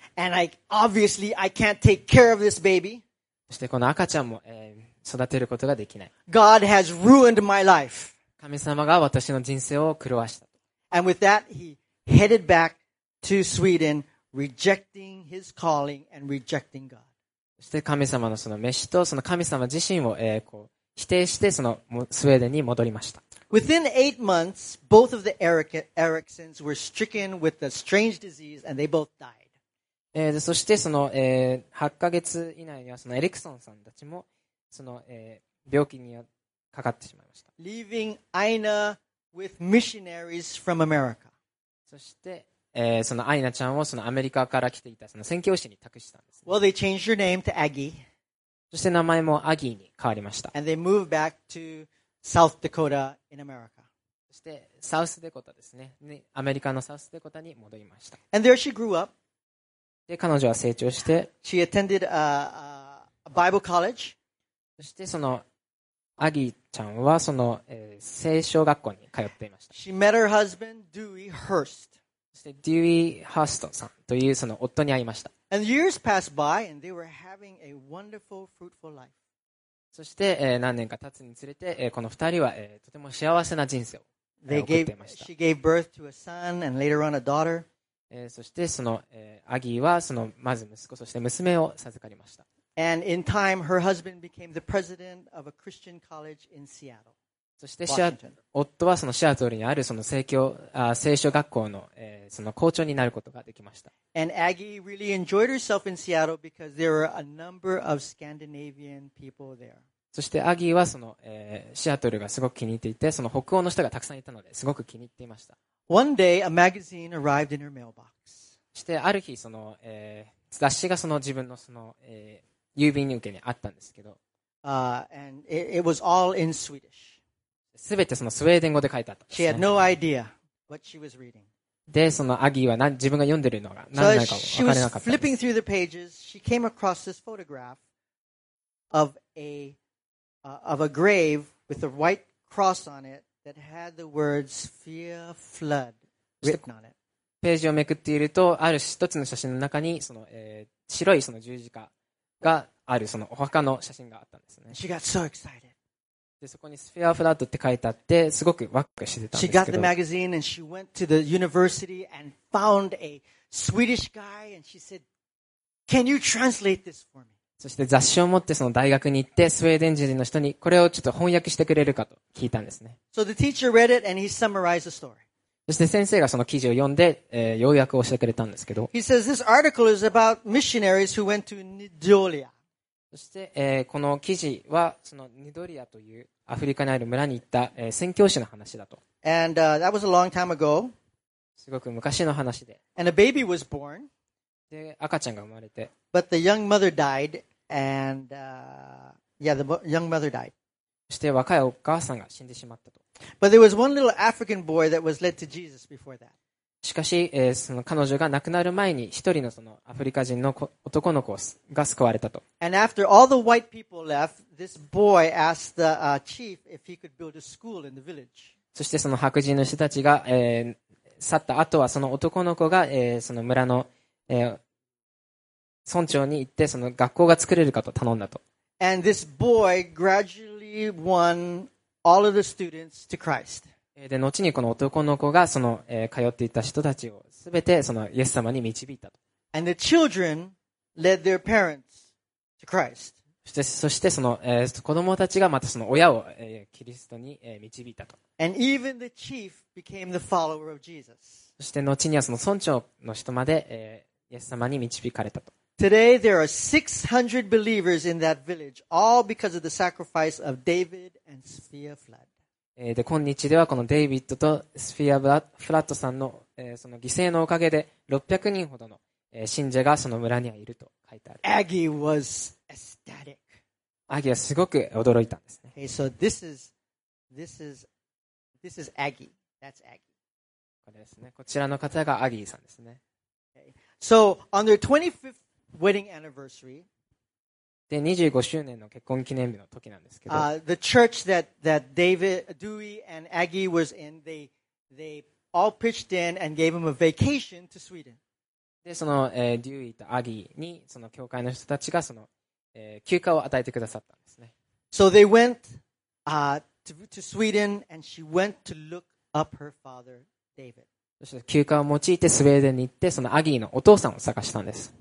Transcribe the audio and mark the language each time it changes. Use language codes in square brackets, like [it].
[en] And I, obviously I can't take care of this baby. [ja] そしてこの赤ちゃんも、育てることができない。 [en] God has ruined my life. [ja] 神様が私の人生を狂わした。 [en] And with that, he headed back to Sweden, rejecting his calling and rejecting God. [ja] そして神様のその召しとその神様自身を、こう否定してそのスウェーデンに戻りました。 [en] Within 8 months, both of the Ericssons were stricken with a strange disease and they both died. [ja] そしてその、8ヶ月以内にはそのエリクソンさんたちもその、病気にかかってしまいました。 [en] Leaving Aina with missionaries from America. [ja] そして、そのアイナちゃんをそのアメリカから来ていたその宣教師に託したんです、ね。 [en] Well, they changed their name to Aggie. [ja] そして名前もアギーに変わりました。 [en] And they moved back to South Dakota in America. [ja] そしてサウスデコタですね。アメリカのサウスデコタに戻りました。 [en] And there she grew up. [ja] で彼女は成長して、 [en] she attended a Bible college. [ja] そしてそのアギーちゃんはその、聖書学校に通っていました。 [en] She met her husband, Dewey Hurst. [ja] そしてデューイ・ハーストさんというその夫に会いました。 [en] And years passed by and they were having a wonderful, fruitful life. [ja] そして、何年か経つにつれて、この二人は、とても幸せな人生を、送っていました。 [en] She gave birth to a son and later on a daughter. [ja] そしてその、アギーはそのまず息子そして娘を授かりました。 [en] And in time, her husband became the president of a Christian college in Seattle. [ja] そして、夫はそのシアトルにあるその聖書学校の、その校長になることができました。 [en] And Aggie really enjoyed herself in Seattle because there were a number of Scandinavian people there. [ja] そして、アギーはその、シアトルがすごく気に入っていて、その北欧の人がたくさんいたので、すごく気に入っていました。 [en] One day, a magazine arrived in her mailbox. [ja] そして、ある日、その、雑誌がその自分のその、郵便受けにあったんですけど、 [en] and it was all in Swedish. [ja] すべてそのスウェーデン語で書いてあったんです、ね。 [en] She had no idea what she was reading. [ja] で、そのアギーは自分が読んでるのが何なのかわからなかったんです。 [en] So she was flipping through the pages. She came across this photograph of a grave with a white cross on it that had the words "Fear Flood" written on it. [ja] ページをめくっていると、ある一つの写真の中にその、白いその十字架があるそのお墓の写真があったんですね。 [en] She got so excited. [ja] でそこにスフィアフラッドって書いてあってすごくワクワクしてたんですけど。 [en] She got the magazine and she went to the university and found a Swedish guy and she said, "Can you translate this for me?" [ja] そして雑誌を持ってその大学に行ってスウェーデン人の人にこれをちょっと翻訳してくれるかと聞いたんですね。 [en] So the teacher read it and he summarized the story. [ja] そして先生がその記事を読んで、要約をしてくれたんですけど。 [en] He says this article is about missionaries who went to Nidolia. [ja] そして、この記事はそのニドリアというアフリカにある村に行った、宣教師の話だと。 [en] And, that was a long time ago. [ja] すごく昔の話で。 [en] And a baby was born. [ja] で、赤ちゃんが生まれて。 [en] But the young mother died. And, yeah, the young mother died. [ja] そして若いお母さんが死んでしまったと。 [en] But there was one little African boy that was led to Jesus before that. [ja] しかし、その彼女が亡くなる前に一人 の, そのアフリカ人の男の子が救われたと。 [en] And after all the white people left, this boy asked the chief if he could build a school in the village. [ja] そしてその白人の人たちが、去った後はその男の子が、その村の、村長に行ってその学校が作れるかと頼んだと。 [en] And this boy gradually won all of the students to Christ. [ja] で、後にこの男の子がその、通っていた人たちをすべてそのイエス様に導いたと。 [en] And the children led their parents to Christ. [ja] そしてその、子供たちがまたその親を、キリストに、導いたと。 [en] And even the chief became the follower of Jesus. [ja] そして後にはその村長の人まで、イエス様に導かれたと。 [en] Today there are 600 believers in that village, all because of the sacrifice of David and Sophia Flood. [ja] で今日ではこのデイビッドとスフィアブラフラットさんの、その犠牲のおかげで600人ほどの、信者がその村にはいると書いてある。 [en] アギー was ecstatic. [ja] アギーはすごく驚いたんですね。 [en] Okay, so this is Aggie. That's Aggie. [ja] これですね。こちらの方がアギーさんですね。 [en] Okay. So on their 25th wedding anniversary. [ja] で25周年の結婚記念日の時なんですけど、 [en] the church that David, Dewey and Aggie was in, they all pitched in and gave him a vacation to Sweden. [ja] でその、Dewey と Aggie にその教会の人たちがその、休暇を与えてくださったんですね。 [en] So they went to Sweden and she went to look up her father David. [ja] そして休暇を用いてスウェーデンに行ってその Aggie のお父さんを探したんです。